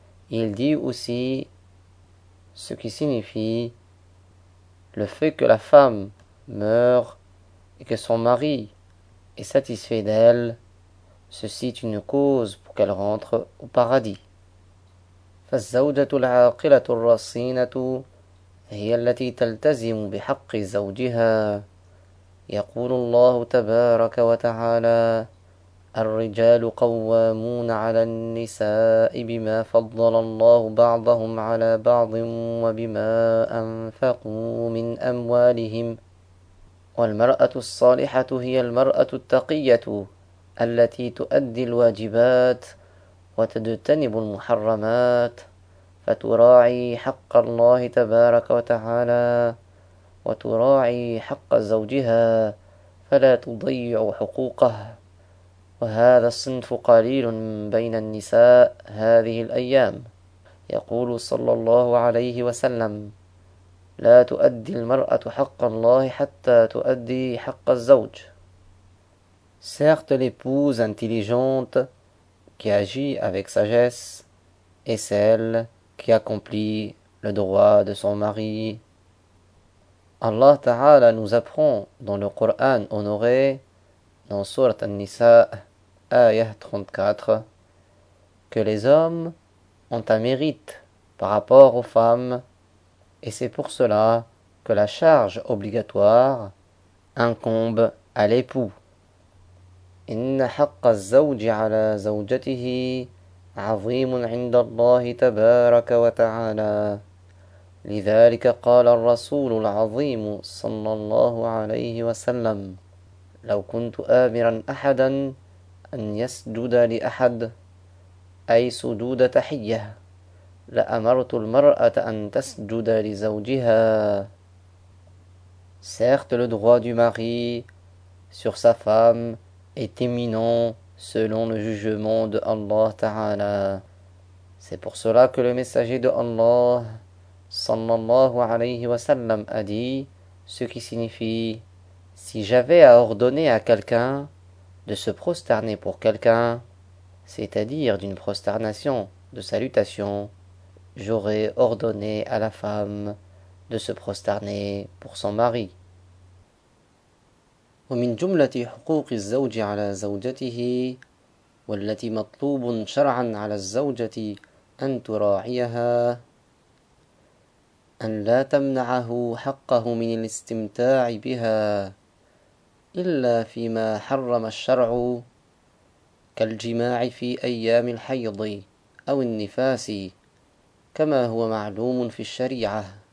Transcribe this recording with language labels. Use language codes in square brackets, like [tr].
[fr] Il dit aussi ce qui signifie le fait que la femme meure et que son mari est satisfait d'elle, ceci est une cause pour qu'elle rentre au paradis. [ar] فالزوجة العاقلة الرصينة هي التي تلتزم بحق زوجها. يقول الله تبارك وتعالى: الرجال قوامون على النساء بما فضل الله بعضهم على بعض وبما أنفقوا من أموالهم. والمرأة الصالحة هي المرأة التقية التي تؤدي الواجبات وتجتنب المحرمات فتراعي حق الله تبارك وتعالى وتراعي حق زوجها فلا تضيع حقوقه. وهذا الصنف قليل بين النساء هذه الأيام. يقول صلى الله عليه وسلم: لا تؤدي المرأة حق الله حتى تؤدي حق الزوج. [fr] Certes, l'épouse intelligente qui agit avec sagesse est celle qui accomplit le droit de son mari. Allah Ta'ala nous apprend dans le Coran honoré, dans Sourate An-Nisa, ayah 34, que les hommes ont un mérite par rapport aux femmes, et c'est pour cela que la charge obligatoire incombe à l'époux. [ar] إن حق الزوج على زوجته عظيم عند الله تبارك وتعالى. لذلك قال الرسول العظيم صلى الله عليه وسلم: لو كنت آمرا أحدا أن يسجد لأحد، أي سجود تحية، لأمرت المرأة أن تسجد لزوجها. [fr] Certes, le droit du mari sur sa femme est éminent selon le jugement de Allah Ta'ala. C'est pour cela que le messager de Allah [ar] sallallahu alayhi wa sallam [fr] a dit ce qui signifie: si j'avais à ordonner à quelqu'un de se prosterner pour quelqu'un, c'est-à-dire d'une prosternation de salutation, j'aurais ordonné à la femme de se prosterner pour son mari. [ar] ومن جملة حقوق الزوج على زوجته والتي مطلوب شرعا على الزوجة أن تراعيها أن لا تمنعه حقه من الاستمتاع بها إلا فيما حرم الشرع كالجماع في أيام الحيض أو النفاس كما هو معلوم في الشريعة